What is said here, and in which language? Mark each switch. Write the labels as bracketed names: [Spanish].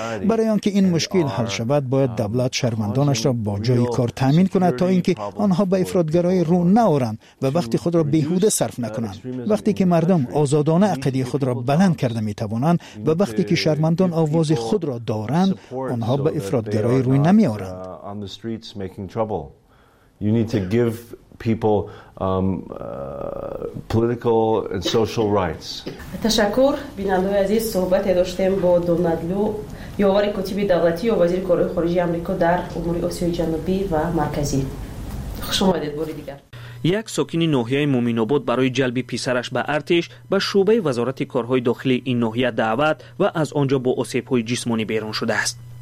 [Persian] برای آنکه این مشکل حل شود، باید دولت شهروندانش را با جای کار تامین کند تا اینکه آنها به افراط‌گرایی رو نآورند و وقت خود را بیهوده صرف نکنند. وقتی که مردم آزادانه عقیده خود را بلند کرده می توانند و وقتی که شهروندان آواز خود را دارند، آنها به افراط‌گرایی روی نمی آورند. [English] You need to give people political and social rights. [Persian] تشکر بیننده عزیز، صحبت داشتیم با دونالدلو، یاور کتیب دولتی و وزیر کار خارجه آمریکا در امور آسیای جنوبی و مرکزی. خوش اومدید بار دیگر. یک ساکن ناحیه مومین‌آباد برای جلب پسرش به ارتش به شعبه وزارت کارهای داخلی این ناحیه دعوت و از آنجا با آسیب‌های جسمانی بیرون شده است.